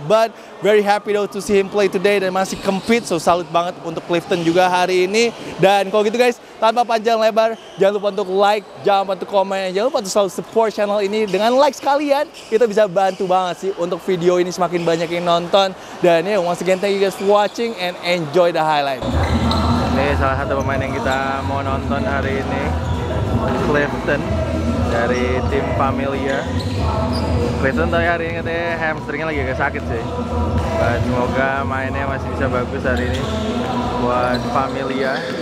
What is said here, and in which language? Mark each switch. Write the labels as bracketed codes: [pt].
[en] But very happy though to see him play today [id] dan masih [en] compete. So [id] salut banget untuk Clifton juga hari ini. Dan kalau gitu guys, tanpa panjang lebar, jangan lupa untuk like, jangan lupa untuk komen, jangan lupa untuk selalu support channel ini. Dengan like sekalian, itu bisa bantu banget sih untuk video ini semakin banyak yang nonton. Dan ya, [en] once again thank you guys for watching and enjoy the highlight. [id] Ini salah satu pemain yang kita mau nonton hari ini, Clifton dari tim Familia. Clifton tadi hari ini katanya hamstringnya lagi agak sakit sih. Semoga mainnya masih bisa bagus hari ini buat Familia.